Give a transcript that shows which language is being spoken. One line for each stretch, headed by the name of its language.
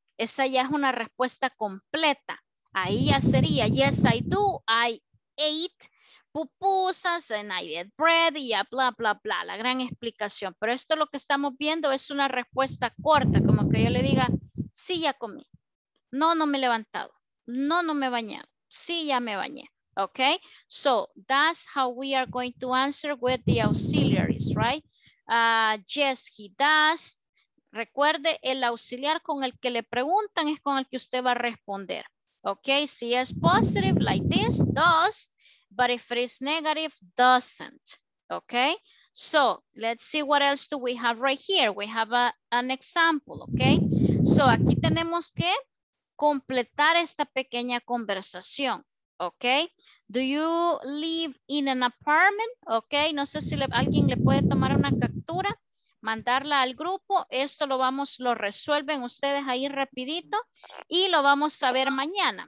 Spanish: Esa ya es una respuesta completa. Ahí ya sería,
English: yes, I do, I ate pupusas and I ate bread
Spanish: y ya bla, bla, bla. La gran explicación. Pero esto lo que estamos viendo es una respuesta corta, como que yo le diga, sí, ya comí. No, no me he levantado. No, no me he bañado. Sí, ya me bañé. Ok.
English: So, that's how we are going to answer with the auxiliaries, right? Yes, he does.
Spanish: Recuerde, el auxiliar con el que le preguntan es con el que usted va a responder.
English: Ok.
Spanish: Si es
English: positive, like this, does. But if it is negative, doesn't. Ok. So, let's see what else do we have right here. We have an example. Ok.
Spanish: So, aquí tenemos que completar esta pequeña conversación, ¿ok?
English: Do you live in an apartment? ¿Ok?
Spanish: No sé si alguien le puede tomar una captura, mandarla al grupo. Esto lo resuelven ustedes ahí rapidito y lo vamos a ver mañana.